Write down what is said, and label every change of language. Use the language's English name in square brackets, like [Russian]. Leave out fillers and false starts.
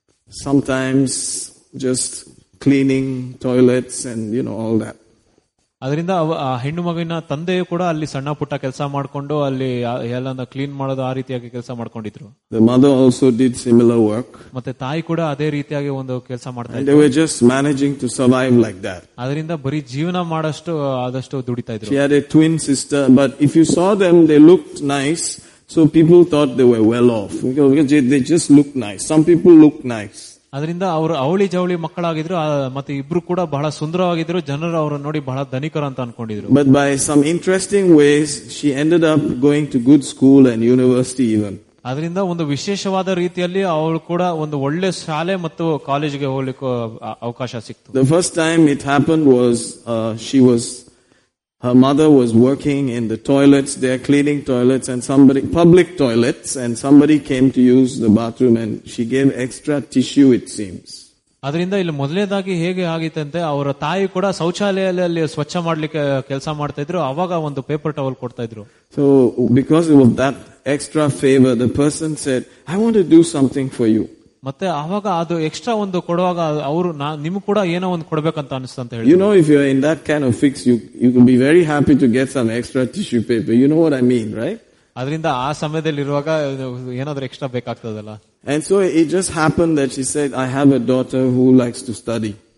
[English] Sometimes just cleaning toilets and you know all that. [Kannada] ಅದರಿಂದ ಹೆಣ್ಣು ಮಗಿನ ತಂದೆಯು ಕೂಡ ಅಲ್ಲಿ ಸಣ್ಣ ಪುಟ್ಟ ಕೆಲಸ ಮಾಡಿಕೊಂಡು ಅಲ್ಲಿ ಎಲ್ಲಾನ ಕ್ಲೀನ್ ಮಾಡೋದು ಆ ರೀತಿಯಾಗಿ ಕೆಲಸ ಮಾಡ್ಕೊಂಡಿದ್ರು. [English] The mother also did similar work. [Kannada] ಮತ್ತೆ ತಾಯಿ ಕೂಡ ಅದೇ ರೀತಿಯಾಗಿ ಒಂದು ಕೆಲಸ ಮಾಡ್ತಾ ಇದ್ರು. [English] They were just managing to survive like that. [Kannada] ಅದರಿಂದ ಬರೀ ಜೀವನ ಮಾಡಷ್ಟು ಆದಷ್ಟು ದುಡಿತಾ ಇದ್ರು. [English] She had a twin sister, but if you saw them, they looked nice. So people thought they were well off. Because they just looked nice. Some people looked nice. [Kannada] ಅದರಿಂದ ಅವರು ಅವಳಿ ಜವಳಿ ಮಕ್ಕಳಾಗಿದ್ರು ಮತ್ತೆ ಇಬ್ರು ಕೂಡ ಬಹಳ ಸುಂದರವಾಗಿದ್ರು. ಜನರು ಅವರನ್ನು ನೋಡಿ ಬಹಳ ಧನಿಕರು ಅಂತ ಅನ್ಕೊಂಡಿದ್ರು. [English] But by some interesting ways she ended up going to good school and university even. [Kannada] ಅದರಿಂದ ಒಂದು ವಿಶೇಷವಾದ ರೀತಿಯಲ್ಲಿ ಅವಳು ಕೂಡ ಒಂದು ಒಳ್ಳೆ ಶಾಲೆ ಮತ್ತು ಕಾಲೇಜ್ಗೆ ಹೋಗ್ಲಿಕ್ಕೆ ಅವಕಾಶ ಸಿಕ್ತು. [English] The first time it happen was she was Her mother was working in the toilets, they're cleaning toilets and somebody, public toilets, and somebody came to use the bathroom and she gave extra tissue, it seems. [Kannada] ಅದರಿಂದ ಇಲ್ಲಿ ಮೊದಲನೇದಾಗಿ ಹೇಗೆ ಆಗಿತ್ತಂತೆ ಅವರ ತಾಯಿ ಕೂಡ ಶೌಚಾಲಯದಲ್ಲಿ ಸ್ವಚ್ಛ ಮಾಡಲಿಕ್ಕೆ ಕೆಲಸ ಮಾಡ್ತಾ ಇದ್ರು ಅವಾಗ ಒಂದು ಪೇಪರ್ ಟವಲ್ ಕೊಡ್ತಾ ಇದ್ರು [English] so because of that extra favour the person said I want to do something for you [Kannada] ಮತ್ತೆ ಅವಾಗ ಅದು ಎಕ್ಸ್ಟ್ರಾ ಒಂದು ಕೊಡುವಾಗ ಅವರು ನಿಮ್ಗೆ ಕೂಡ ಏನೋ ಒಂದು ಕೊಡಬೇಕಂತ ಅನಿಸ್ತಂತ ಹೇಳಿದ್ರು [English] you know if you are in that kind of fix you can be very happy to get some extra tissue paper you know what I mean right [Kannada] ಅದರಿಂದ ಆ ಸಮಯದಲ್ಲಿ ಇರುವಾಗ ಏನಾದ್ರೂ extra ಬೇಕಾಗ್ತದಲ್ಲ [English] And so it just happened that she said, I have a daughter who likes to study.